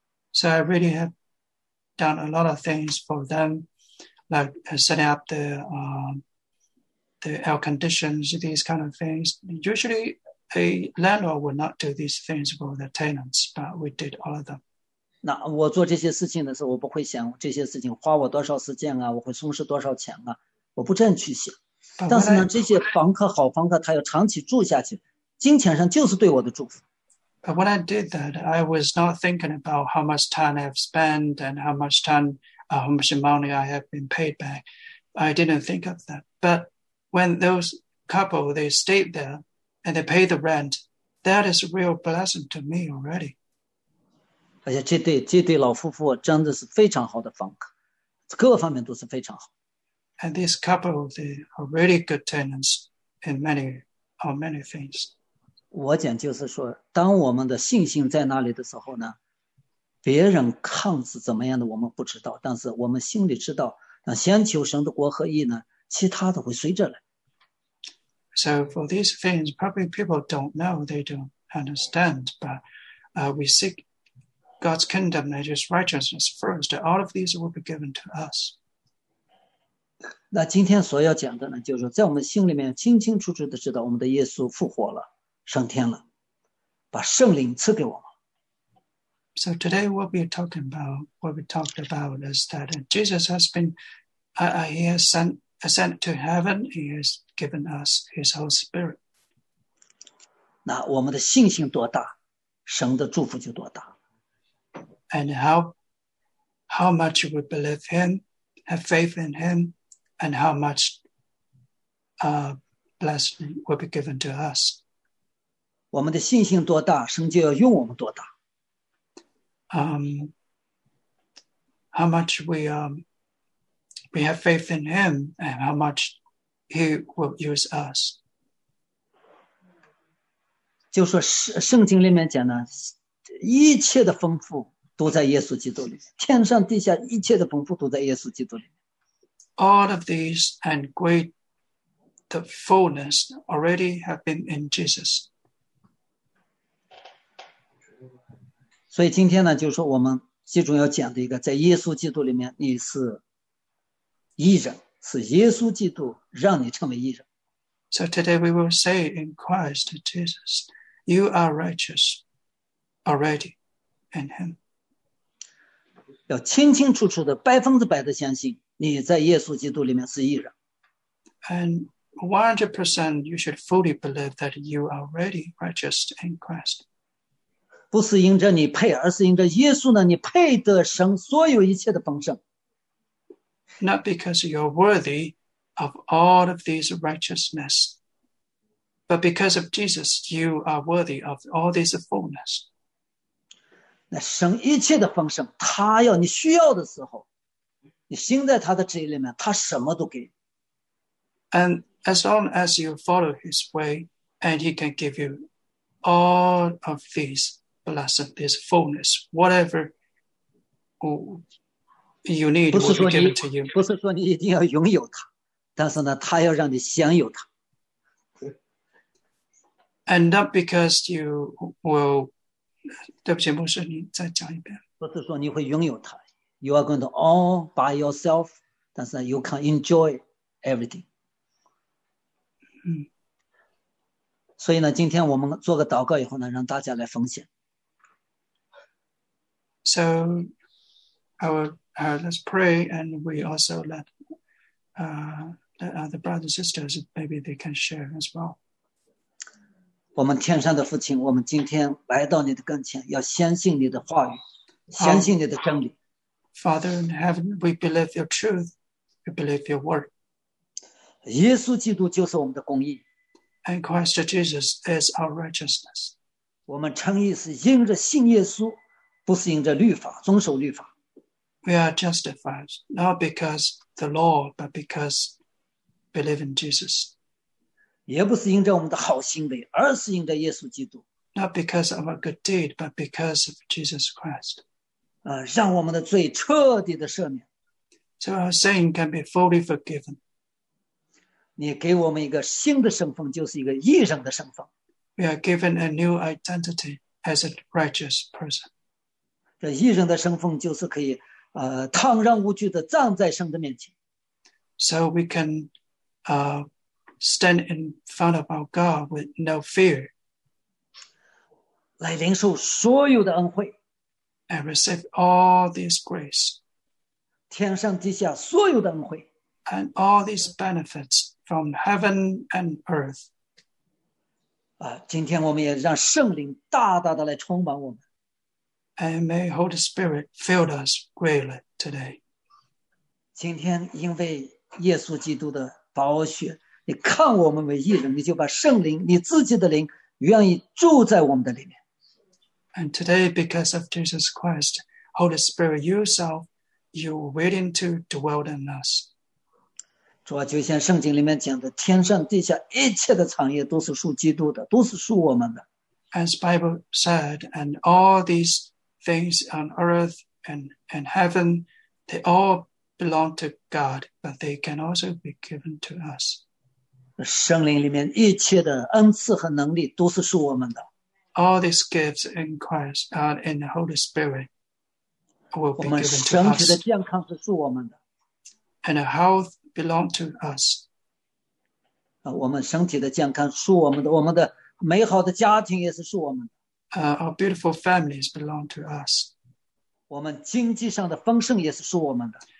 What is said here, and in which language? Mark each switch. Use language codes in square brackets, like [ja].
[en] So I really have done a lot of things for them, like setting up the air conditions, these kind of things. Usually, a landlord would not do these things for the tenants, but we did all of them. [zh] 那我做这些事情的时候，我不会想这些事情花我多少时间啊，我会损失多少钱啊，我不这样去想。但是呢，这些房客好房客，他要长期住下去，金钱上就是对我的祝福。 [en] But when I did that, I was not thinking about how much time I have spent and how much money I have been paid back. I didn't think of that. But when those couple, they stayed there and they paid the rent, that is a real blessing to me already. [zh] 而且这对老夫妇真的是非常好的房客，各方面都是非常好。 [en] And these couple, they are really good tenants in many things. [zh] 我讲就是说，当我们的信心在那里的时候呢，别人看是怎么样的我们不知道，但是我们心里知道，那先求神的国和义呢，其他的会随着来。 [en] So for these things, probably people don't know, they don't understand, but we seek God's kingdom and His righteousness first. All of these will be given to us. [zh] 那今天所要讲的呢，就是说在我们心里面清清楚楚的知道，我们的耶稣复活了。升天了，把圣灵赐给我们。 [en] So today what we talked about is that Jesus has been, he has ascended to heaven, he has given us his whole spirit. [zh] 那我们的信心多大，神的祝福就多大。 [en] And how much we believe him, have faith in him, and how much blessing will be given to us. [zh] 我们的信心多大，神就要用我们多大。 [en] how much we have faith in him and how much he will use us. [zh] 就说圣经里面讲的一切的丰富都在耶稣基督里，天上地下一切的丰富都在耶稣基督里。 [en] All of these and great the fullness already have been in Jesus. [zh] 所以今天呢，就是说我们最重要讲的一个，在耶稣基督里面你是义人，是耶稣基督让你成为义人。 [en] So today we will say in Christ Jesus, you are righteous already in him. [zh] 要清清楚楚的百分之百的相信你在耶稣基督里面是义人。 [en] And 100% you should fully believe that you are already righteous in Christ. [zh] 不是因着你配，而是因着耶稣呢，你配得神所有一切的丰盛。 [en] Not because you're worthy of all of these righteousness, but because of Jesus, you are worthy of all this fullness. [zh] 那神一切的丰盛，他要你需要的时候，你心在他的旨意里面，他什么都给。 [en] And as long as you follow his way, and he can give you all of these blessings, this fullness, whatever you need will be given to you. [zh] 不是说你一定要拥有它，但是呢，他要让你享有它。 [en] And not because you will, [zh] 对不起，牧师，你再讲一遍。不是说你会拥有它， [en] you are going to own by yourself, [zh] 但是 [en] you can enjoy everything. [zh] 所以呢，今天我们做个祷告以后呢，让大家来奉献。 [en] So, let's pray, and we also let the brothers and sisters, maybe they can share as well. [zh] 我们天上的父亲，我们今天来到你的跟前，要相信你的话语，相信你的真理。 [en] Father in heaven, we believe your truth, we believe your word. [zh] 耶稣基督就是我们的公义。 [en] And Christ Jesus is our righteousness. [zh] 我们称义是因着信耶稣，不是因着律法，遵守律法。 [en] We are justified not because the law, but because believe in Jesus. [zh] 也不是因着我们的好行为，而是因着耶稣基督。 [en] Not because of a good deed, but because of Jesus Christ. [zh] 让我们的罪彻底的赦免。 [en] So our sin can be fully forgiven. [zh] 你给我们一个新的身份，就是一个义人的身份。 [en] We are given a new identity as a righteous person. [zh] 这义人的身份就是可以坦然无惧地站在神的面前。 [en] So we can, stand in front of our God with no fear. [zh] 来领受所有的恩惠。 [en] And receive all this grace. [zh] 天上地下所有的恩惠。 [en] And all these benefits from heaven and earth. [zh] 今天我们也让圣灵大大地来充满我们。 [en] And may Holy Spirit fill us greatly today. [zh] 今天因为耶稣基督的宝血，你看我们为义人，你就把圣灵，你自己的灵，愿意住在我们的里面。 [en] And today, because of Jesus Christ, Holy Spirit, yourself, you are willing to dwell in us. [zh] 主啊，就像圣经里面讲的，天上地下一切的产业都是属基督的，都是属我们的。 [en] As Bible said, and all these things on earth and heaven, they all belong to God, but they can also be given to us. [zh] 圣灵里面一切的恩赐和能力都是属我们的。 [en] All these gifts in Christ are in the Holy Spirit will be given to us. [zh] 我们身体的健康是属我们的。 [en] And the health belongs to us. [zh] 我们身体的健康属我们的，我们的美好的家庭也是属我们的。 [en] Our beautiful families belong to us. [zh] 我们经济上的丰盛也是属我们的。